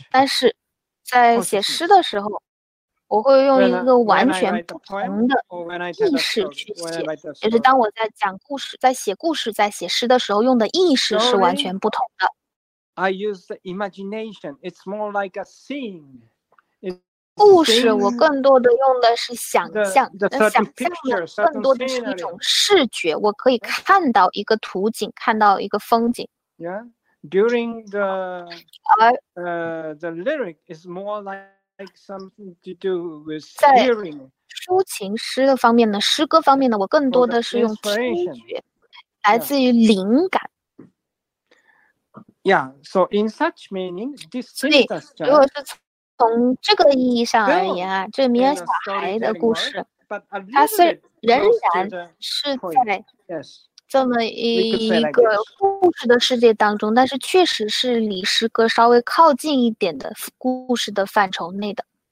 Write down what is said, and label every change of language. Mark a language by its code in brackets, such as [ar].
[zh] 但是在写诗的时候，我会用一个完全不同的意识去写，就是当我在讲故事、在写故事、在写诗的时候，用的意识是完全不同的。 [en] I use the imagination. It's more like a scene. [zh] 故事我更多的用的是想象，想象的更多的是一种视觉，我可以看到一个图景，看到一个风景。 [en] Yeah, during the the lyric is more like something to do with hearing. [zh] 在抒情诗的方面呢，诗歌方面呢，我更多的是用听觉，来自于灵感。 [en] Yeah, so in such meaning, this tinnitus child. [zh] 从这个意义上而言啊，这名小孩的故事，它虽仍然是在这么一个故事的世界当中，但是确实是离诗歌稍微靠近一点的故事的范畴内的。